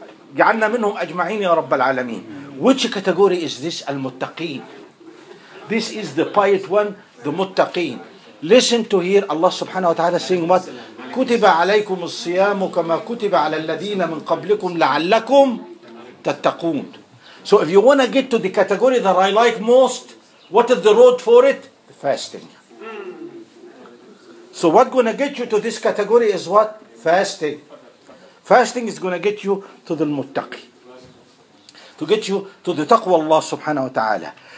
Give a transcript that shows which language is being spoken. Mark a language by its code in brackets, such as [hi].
[ar] جعلنا منهم أجمعين يا رب العالمين. [en] Which category is this? المتقين. This is the pious one, the متقين. Listen to hear Allah subhanahu wa ta'ala saying what? [ar] كتب عليكم الصيام كما كتب على الذين من قبلكم لعلكم تتقون. [en] So if you want to get to the category that I like most, what is the road for it? The fasting. So what's going to get you to this category is what? Fasting. Fasting is going to get you to the muttaqi. To get you to the taqwa Allah subhanahu wa ta'ala.